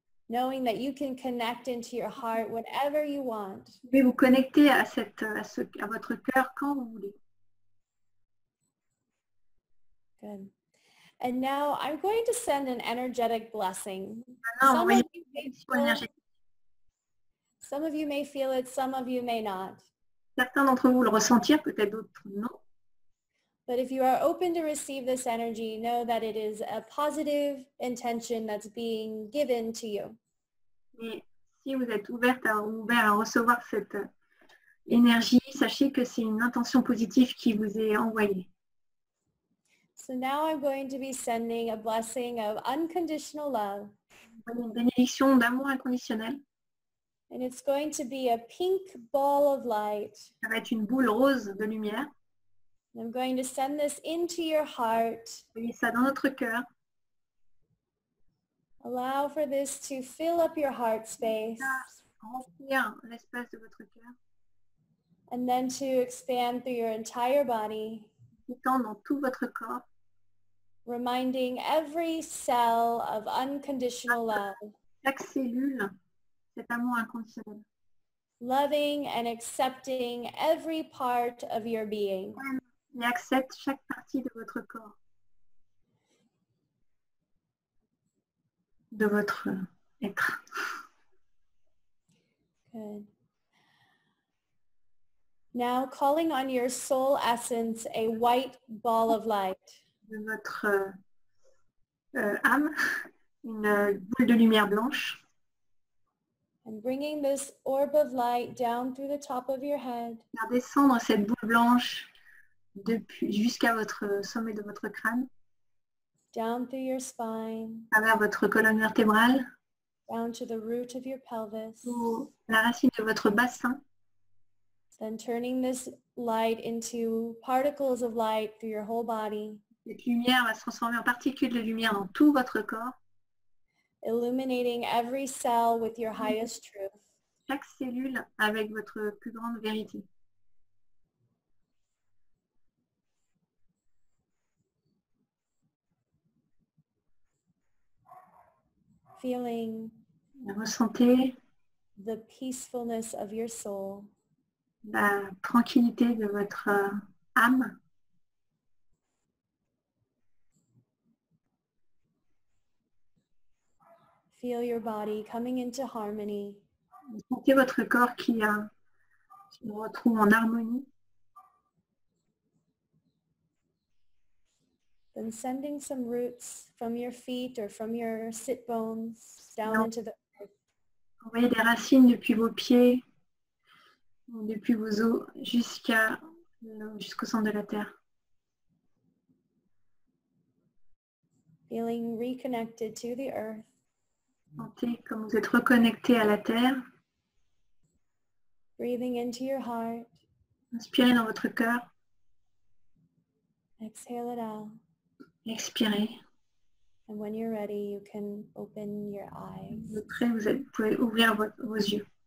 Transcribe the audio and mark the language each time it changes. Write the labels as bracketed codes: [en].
[en] Knowing that you can connect into your heart whatever you want. [fr] Vous pouvez vous connecter à cette, à ce, à votre cœur quand vous voulez. [en] Good. And now I'm going to send an energetic blessing. Some of you may feel it, some of you may not. [fr] Certains d'entre vous le ressentir, peut-être d'autres non. [en] But if you are open to receive this energy, know that it is a positive intention that's being given to you. [fr] Et si vous êtes ouverte à, ouvert à recevoir cette énergie, sachez que c'est une intention positive qui vous est envoyée. [en] So now I'm going to be sending a blessing of unconditional love. [fr] Une bénédiction d'amour inconditionnel. [en] And it's going to be a pink ball of light. [fr] Ça va être une boule rose de lumière. [en] And I'm going to send this into your heart. [fr] Je vais ça dans notre cœur. [en] Allow for this to fill up your heart space. [fr] Remplir l'espace de votre cœur. [en] And then to expand through your entire body. [fr] Étant dans tout votre corps. [en] Reminding every cell of unconditional love. [fr] Chaque cellule. Cet amour inconditionnel. [en] Loving and accepting every part of your being. [fr] Et accepte chaque partie de votre corps. De votre être. [en] Good. Now calling on your soul essence, a white ball of light. [fr] De votre âme, une boule de lumière blanche. [en] And bringing this orb of light down through the top of your head. [fr] Faire descendre cette boule blanche depuis, jusqu'à votre sommet de votre crâne. [en] Down through your spine. [fr] À vers votre colonne vertébrale. [en] Down to the root of your pelvis. [fr] Ou la racine de votre bassin. [en] Then turning this light into particles of light through your whole body. [fr] Cette lumière va se transformer en particules de lumière dans tout votre corps. [en] Illuminating every cell with your highest truth. [fr] Chaque cellule avec votre plus grande vérité. [en] Feeling. [fr] Ressentez. [en] The peacefulness of your soul. [fr] La tranquillité de votre âme. [en] Feel your body coming into harmony. [fr] Sentez votre corps qui se retrouve en harmonie. [en] Then sending some roots from your feet or from your sit bones down into the earth. [fr] Envoyez des racines depuis vos pieds, depuis vos os, jusqu'au centre de la terre. [en] Feeling reconnected to the earth. [fr] Sentez comme vous êtes reconnecté à la terre. [en] Breathing into your heart. [fr] Inspirez dans votre cœur. [en] Exhale it out. [fr] Expirez. [en] And when you're ready, you can open your eyes. [fr] Vous êtes prêt, vous pouvez ouvrir vos yeux.